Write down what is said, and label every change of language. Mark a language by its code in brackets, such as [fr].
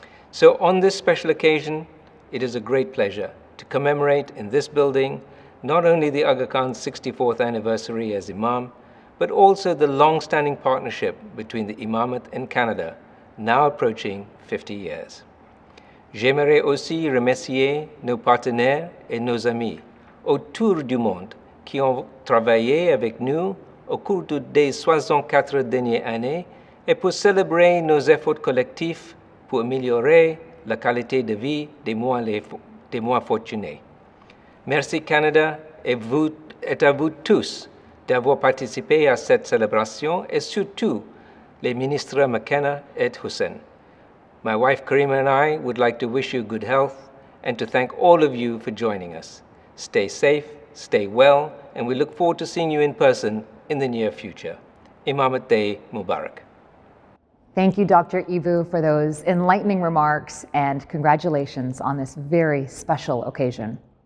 [en] So on this special occasion, it is a great pleasure to commemorate in this building not only the Aga Khan's 64th anniversary as Imam, but also the long-standing partnership between the Imamat and Canada, now approaching 50 years. [fr] J'aimerais aussi remercier nos partenaires et nos amis autour du monde qui ont travaillé avec nous au cours des 64 dernières années et pour célébrer nos efforts collectifs pour améliorer la qualité de vie des moins fortunés. Merci Canada et à vous tous d'avoir participé à cette célébration et surtout les ministres McKenna et Hussen. [en] My wife Karima and I would like to wish you good health and to thank all of you for joining us. Stay safe, stay well, and we look forward to seeing you in person in the near future. Imamat Day Mubarak. Thank you, Dr. Eboo, for those enlightening remarks and congratulations on this very special occasion.